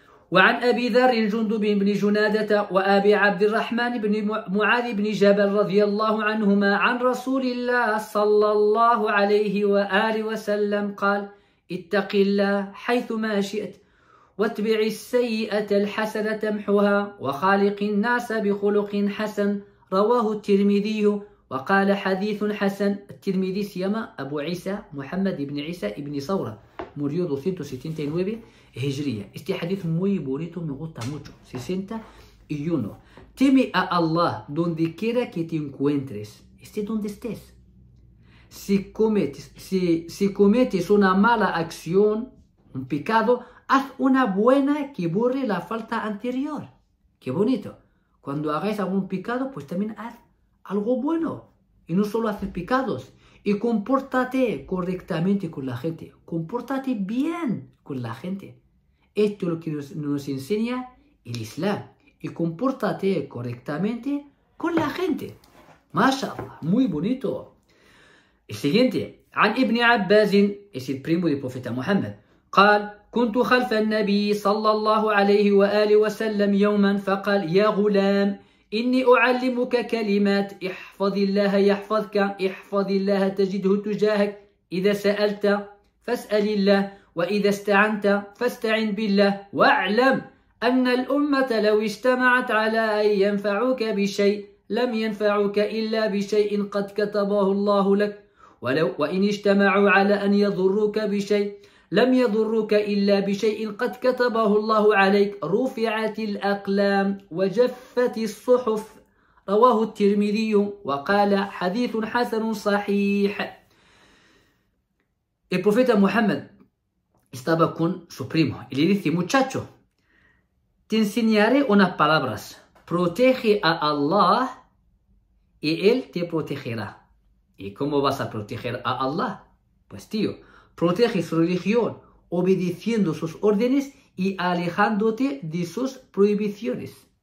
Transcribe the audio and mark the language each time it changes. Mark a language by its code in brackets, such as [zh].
[ar] وعن أبي ذر الجندب بن جنادة وأبي عبد الرحمن بن معاذ بن جبل رضي الله عنهما عن رسول الله صلى الله عليه وآله وسلم قال اتق الله حيثما شئت واتبع السيئة الحسنة تمحها وخالق الناس بخلق حسن رواه الترمذي وقال حديث حسن الترمذي سيما أبو عيسى محمد بن عيسى بن ثورة [es] murió 279 Hijriya. Este hadith muy bonito, me gusta mucho. 61. Teme a Allah donde quiera que te encuentres. Esté donde estés. Si cometes una mala acción, un pecado, haz una buena que borre la falta anterior. Qué bonito. Cuando hagáis algún pecado, pues también haz algo bueno. y no solo hacer pecados. Y compórtate correctamente con la gente. Compórtate bien con la gente. Esto es lo que nos enseña el Islam. Y compórtate correctamente con la gente. Mashallah, muy bonito. El siguiente. [ar] عن ابن عباس [es] es el primo del profeta Muhammad. [ar] قال كنت خلف النبي صلى الله عليه وآله وسلم يوما فقال يا غلام إني أعلمك كلمات احفظ الله يحفظك احفظ الله تجده تجاهك إذا سألت فاسأل الله وإذا استعنت فاستعن بالله واعلم أن الأمة لو اجتمعت على أن ينفعوك بشيء لم ينفعوك إلا بشيء قد كتبه الله لك ولو وإن اجتمعوا على أن يضروك بشيء لم يضروك إلا بشيء قد كتبه الله عليك رفعت الأقلام وجفت الصحف رواه الترمذي وقال حديث حسن صحيح. [es] El profeta Muhammad estaba con su primo y le dice muchacho te enseñaré unas palabras protege a Allah y él te protegerá. ¿Y cómo vas a proteger a Allah? Pues tío, protege su religión obedeciendo sus órdenes y alejándote de sus prohibiciones.